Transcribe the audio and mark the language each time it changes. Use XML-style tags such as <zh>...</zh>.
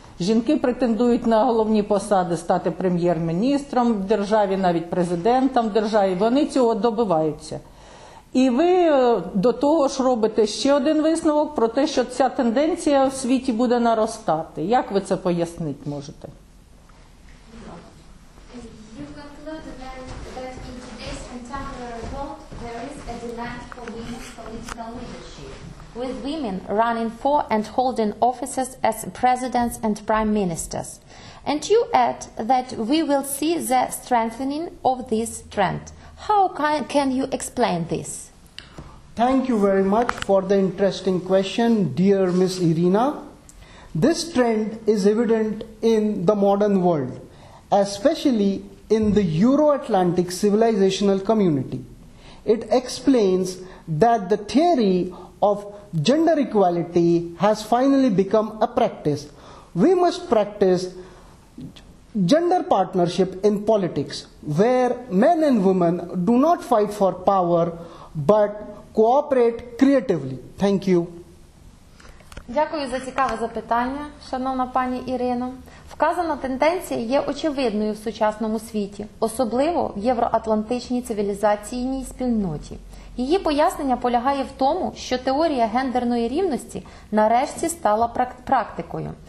<uk>Жінки претендують на головні посади, стати прем'єр-міністром в державі, навіть президентом в державі. Вони цього добиваються. І ви до того ж робите ще один висновок про те, що ця тенденція в світі буде наростати. Як ви це пояснити можете?</uk> <en>You conclude that in today's contemporary world there is a demand for women's political leadership. With women running for and holding offices as presidents and prime ministers. And you add that we will see the strengthening of this trend. How can you explain this? Thank you very much for the interesting question, dear Miss Irina. This trend is evident in the modern world, especially in the Euro-Atlantic civilizational community. It explains that the theory of gender equality has finally become a practice. We must practice gender partnership in politics, where men and women do not fight for power, but cooperate creatively. Thank you.</en> <uk>Дякую за цікаве запитання, шановна пані Ірино. Вказана тенденція є очевидною в сучасному світі, особливо в євроатлантичній цивілізаційній спільноті. Її пояснення полягає в тому, що теорія гендерної рівності нарешті стала практикою.</uk>